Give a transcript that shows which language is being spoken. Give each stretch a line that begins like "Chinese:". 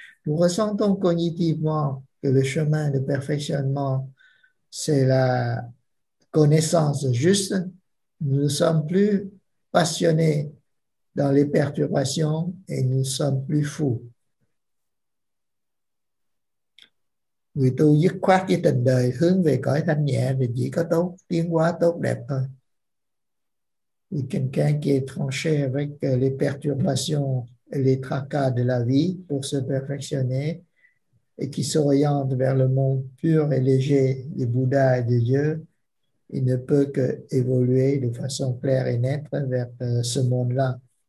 French: Nous ressentons cognitivement que le chemin de perfectionnement c'est la connaissance juste. Nous ne sommes plus passionnés dans les perturbations et nous ne sommes plus fous.
Vietnamese: Người tu dứt khoát với tình đời hướng về cõi thanh nhẹ thì chỉ có tốt, tiến hóa tốt đẹp thôi.
French: Et quelqu'un qui est tranché avec les perturbations et les tracas de la vie pour se perfectionner et qui s'oriente vers le monde pur et léger des Bouddhas et des dieux, il ne peut qu'évoluer de façon claire et nette vers ce monde-là.